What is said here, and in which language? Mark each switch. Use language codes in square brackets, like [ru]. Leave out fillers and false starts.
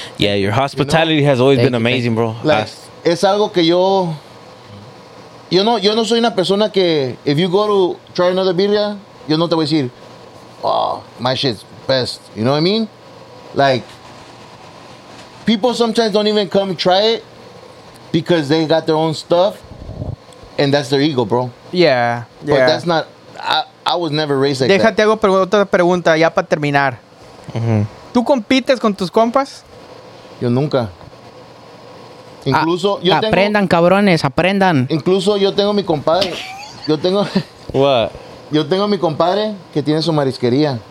[en] Yeah, your hospitality has always been amazing, bro. [es] Es algo que yo... Yo no soy una persona que... [en] If you go to try another birria, [es] yo no te voy a decir, [en] oh, my shit's best. You know what I mean? Like, people sometimes don't even come try it because they got their own stuff and that's their ego, bro. Yeah, but yeah. But that's not... I was never raised like [es] Déjate [en] that. [es] Déjate otra pregunta ya para terminar. Uh-huh. ¿Tú compites con tus compas? Yo nunca. Incluso yo aprendan, tengo, cabrones, aprendan. Incluso yo tengo mi compadre. Yo tengo. [en] What? [es] Yo tengo mi compadre que tiene su marisquería.